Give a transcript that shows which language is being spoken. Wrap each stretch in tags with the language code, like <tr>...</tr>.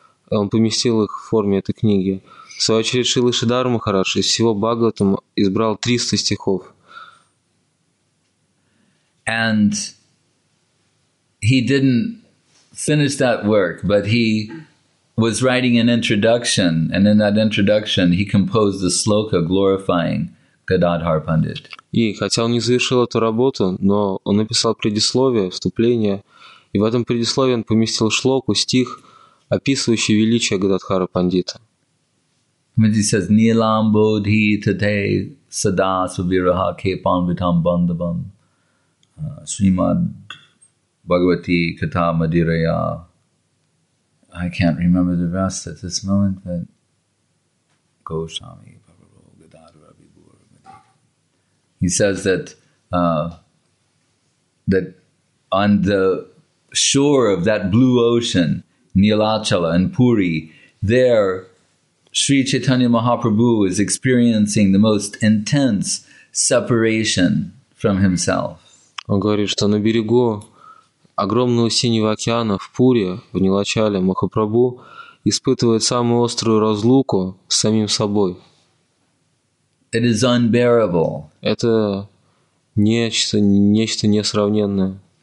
<ru>он поместил их в форме этой книги. В свою очередь Шрила Шридхара Махарадж из всего Бхагаватам избрал 300 стихов.</ru> <en>And he didn't finish that work, but he was writing an introduction, and in that introduction he composed a sloka glorifying Gadadhar Pandit.</en> <ru>И хотя он не завершил эту работу, но он написал предисловие, вступление, и в этом предисловии он поместил шлоку, стих, описывающий величие Гададхара Пандита.</ru> <en>He says,</en> <sa>Nilam bodhi tate sada subiraha kepan vitam bandhavam srimad bhagavati katha madiraya.</sa> <en>I can't remember the rest at this moment, but Goswami Prabhu Gadadhara Vibhur. He says that that on the shore of that blue ocean, Nilachala and Puri, there Sri Chaitanya Mahaprabhu is experiencing the most intense separation from himself.</en> <ru>Он говорит, что на берегу огромного синего океана в Пуре, в Нилачале, Махапрабху испытывает самую острую разлуку с самим собой.</ru> <en>It is unbearable.</en> <ru>Это нечто несравненное.</ru>